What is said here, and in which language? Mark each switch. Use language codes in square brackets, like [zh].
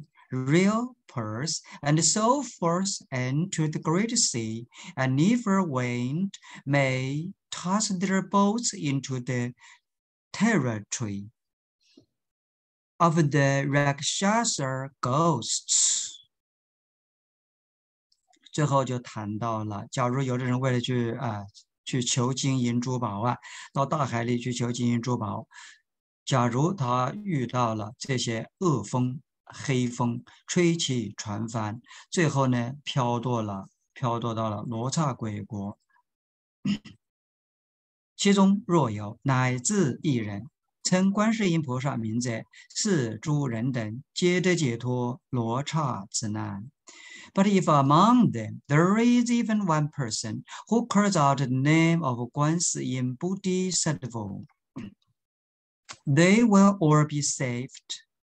[en] real,Pearls and so forth into the great sea, and never wind may toss their boats into the territory of the rakshasa ghosts. [zh] 最后就谈到了，假如有的人为了去求金银珠宝啊，到大海里去求金银珠宝，假如他遇到了这些恶风。黑风吹起船帆，最后呢飘落到了罗刹鬼国。其中若有乃至一人，称观世音菩萨名者，是诸人等，皆得解脱罗刹之难。 [en] But if among them there is even one person who calls out the name of Gwan Shi Yin Bodhisattva, they will all be saved.